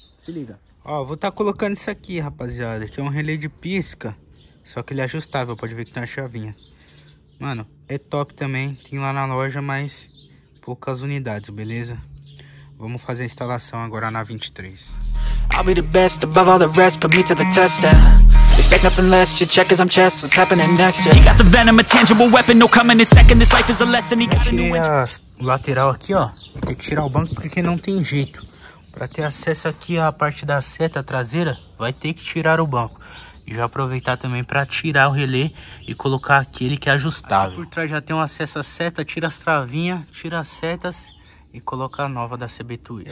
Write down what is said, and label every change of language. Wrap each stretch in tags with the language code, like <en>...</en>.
<pt>Se liga. Ó, vou tá colocando isso aqui, rapaziada, que é um relé de pisca, só que ele é ajustável, pode ver que tem uma chavinha. Mano, é top também, tem lá na loja, mas poucas unidades, beleza? Vamos fazer a instalação agora na 23.</pt> <en>I'll be the best above all the rest, put me to the test, yeah. Expect nothing less, you check as I'm chess, what's happening next, yeah. He got the venom, a tangible weapon, no coming in second, this life is a lesson, he got a new engine.</en> <pt>A lateral aqui, ó, tem que tirar o banco porque não tem jeito. Pra ter acesso aqui à parte da seta traseira, vai ter que tirar o banco. E já aproveitar também para tirar o relé e colocar aquele que é ajustável. Aqui por trás já tem um acesso à seta, tira as travinhas, tira as setas e coloca a nova da CB Twister.</pt>